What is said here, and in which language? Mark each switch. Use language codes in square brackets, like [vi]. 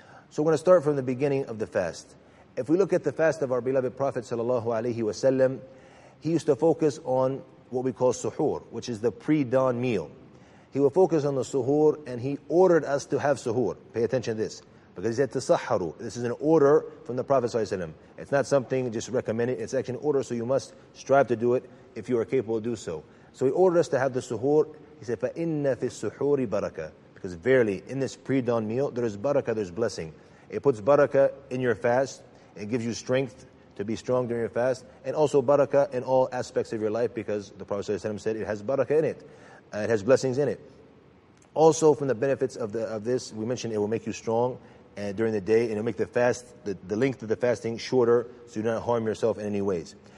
[en] So we're going to start from the beginning of the fast. If we look at the fast of our beloved Prophet Sallallahu Alaihi Wasallam, he used to focus on what we call suhoor, which is the pre-dawn meal. He would focus on the suhoor, and he ordered us to have suhoor. Pay attention to this, because he said tasaharu. This is an order from the Prophet Sallallahu Alaihi Wasallam. It's not something just recommended, it's actually an order, so you must strive to do it if you are capable to do so. So he ordered us to have the suhoor. He said, [ar] فَإِنَّ فِي السُّحُورِ بَرَكَةً. [en] Because verily, in this pre-dawn meal, there is barakah, there is blessing. It puts barakah in your fast. It gives you strength to be strong during your fast. And also barakah in all aspects of your life, because the Prophet ﷺ said it has barakah in it. It has blessings in it. Also from the benefits of this, we mentioned it will make you strong during the day. And it will make the length of the fasting shorter, so you do not harm yourself in any ways.